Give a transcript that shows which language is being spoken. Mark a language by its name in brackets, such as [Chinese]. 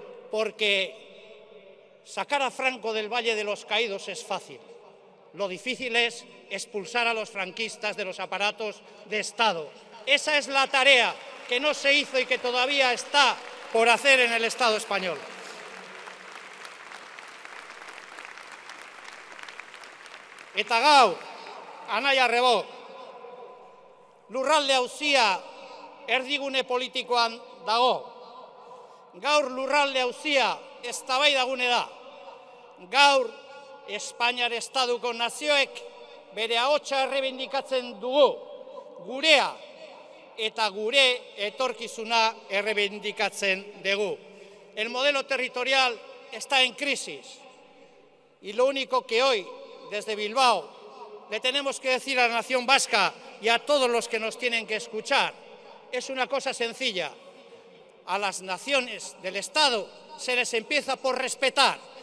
[Spanish] Porque sacar a Franco del Valle de los Caídos es fácil. Lo difícil es expulsar a los franquistas de los aparatos de Estado. Esa es la tarea que no se hizo y que todavía está por hacer en el Estado español. [Basque] Eta gau, anaia rebo, lurralde auzia erdigune politikoan dago. Gaur lurralde auzia eztabaidagune da. Gaur Espainiar estatuko nazioek bere ahotsa errebindikatzen dugu, gurea eta gure etorkizuna errebindikatzen dugu. [Spanish] El modelo territorial está en crisis y lo único que hoy desde Bilbao le tenemos que decir a la nación vasca y a todos los que nos tienen que escuchar es una cosa sencilla. a las naciones del Estado se les empieza por respetar.